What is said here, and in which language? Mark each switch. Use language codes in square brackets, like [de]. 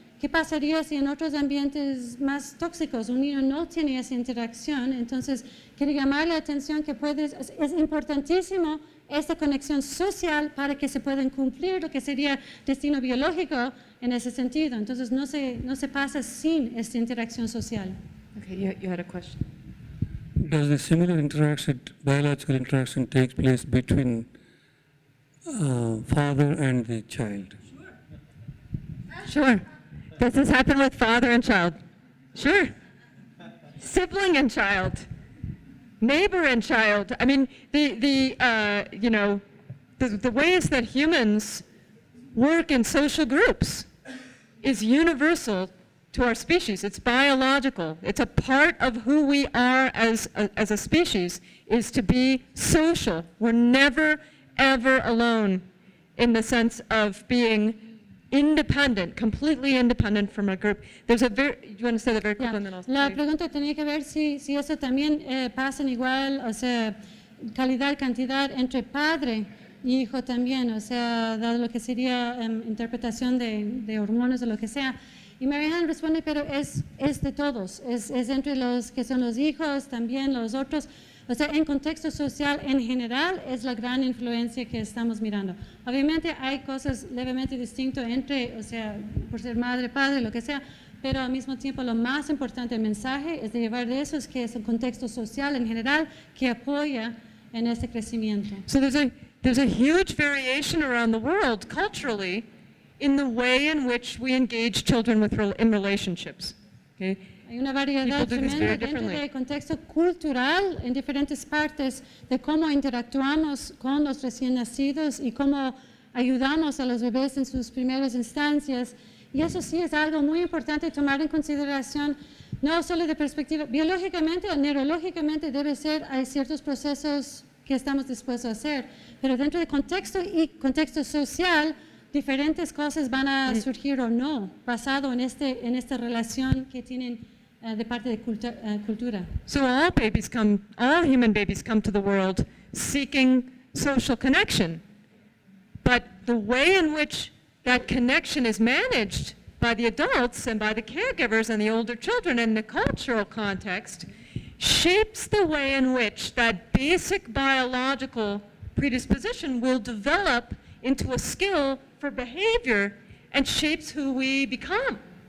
[es] ¿Qué pasaría si en otros ambientes más tóxicos un niño no tiene esa interacción? Entonces, quiere llamar la atención que puedes, es importantísimo esta conexión social para que se puedan cumplir lo que sería destino biológico en ese sentido. Entonces, no se pasa sin esta interacción social. [en] Okay, you had a question. Does the similar interaction, biological interaction, take place between father and the child? Sure. Does this happen with father and child? Sure. Sibling and child. Neighbor and child. I mean, the ways that humans work in social groups is universal to our species. It's biological. It's a part of who we are as a species, is to be social. We're never, ever alone in the sense of being independent, completely independent from a group. There's a very, you want to say the very quick one, then I'll [es] La pregunta tenía que ver si eso también pasa en igual, o sea, calidad, cantidad entre padre y hijo también, o sea, dado lo que sería interpretación de hormonas o lo que sea. Y Mary Helen responde, pero es de todos, es entre los que son los hijos, también los otros. O sea, en contexto social en general es la gran influencia que estamos mirando. Obviamente hay cosas levemente distintas entre, o sea, por ser madre, padre, lo que sea, pero al mismo tiempo lo más importante, el mensaje es de llevar de eso, es que es un contexto social en general que apoya en ese crecimiento. [en] So there's a huge variation around the world culturally in the way in which we engage children in relationships. Okay? [es] Hay una variedad tremenda dentro del contexto cultural en diferentes partes de cómo interactuamos con los recién nacidos y cómo ayudamos a los bebés en sus primeras instancias. Y eso sí es algo muy importante tomar en consideración, no solo de perspectiva biológicamente o neurológicamente debe ser, hay ciertos procesos que estamos dispuestos a hacer, pero dentro del contexto y contexto social, diferentes cosas van a surgir o no, basado en esta relación que tienen de parte de cultura. [en] So all human babies come to the world seeking social connection, but the way in which that connection is managed by the adults and by the caregivers and the older children in the cultural context shapes the way in which that basic biological predisposition will develop into a skill for behavior and shapes who we become.